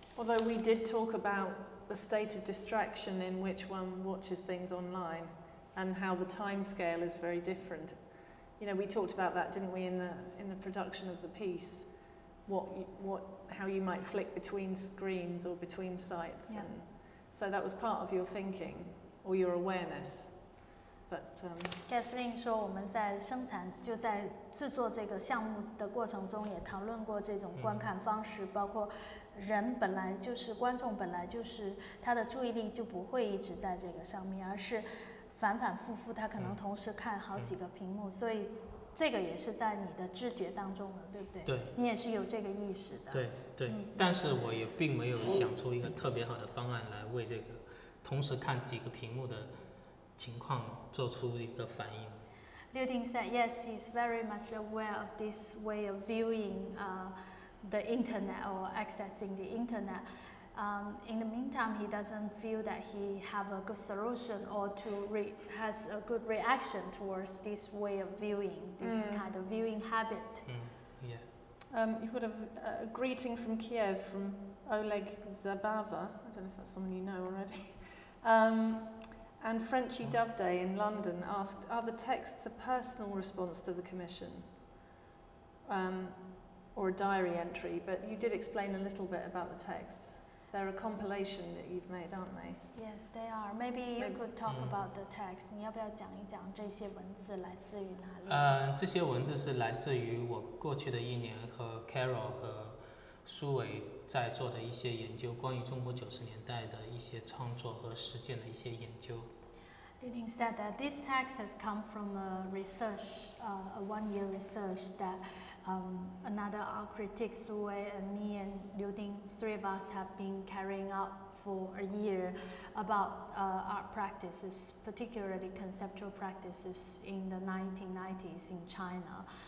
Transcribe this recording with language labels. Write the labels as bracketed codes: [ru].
[en] Although we did talk about the state of distraction in which one watches things online and how the time scale is very different. You know, we talked about that, didn't we, in the production of the piece, how you might flick between screens or between sites. Yeah. And so that was part of your thinking or your awareness. But [zh] Catherine 说我们在生产就在制作这个项目的过程中也讨论过这种观看方式，包括人本来就是观众本来就是他的注意力就不会一直在这个上面，而是反反复复他可能同时看好几个屏幕，所以这个也是在你的知觉当中的，对不对？对，你也是有这个意识的。对对，但是我也并没有想出一个特别好的方案来为这个同时看几个屏幕的情况做出一个反应。 [en] Liu Ding said yes, he's very much aware of this way of viewing the internet or accessing the internet. In the meantime, he doesn't feel that he have a good solution or to has a good reaction towards this way of viewing, this kind of viewing habit. You've got a greeting from Kiev from Oleg Zabava. I don't know if that's someone you know already. And Frenchie Doveday in London asked, are the texts a personal response to the commission or a diary entry? But you did explain a little bit about the texts. They're a compilation that you've made, aren't they? Yes, they are. Maybe you could talk about the text. [zh] 你要不要讲一讲这些文字来自于哪里？这些文字是来自于我过去的一年和 Carol 和苏伟在做的一些研究，关于中国九十年代的一些创作和实践的一些研究。 [en] Liu Ding said that this text has come from a research, a one-year research that another art critic, Su Wei, and me and Liu Ding, three of us have been carrying out for a year about art practices, particularly conceptual practices in the 1990s in China.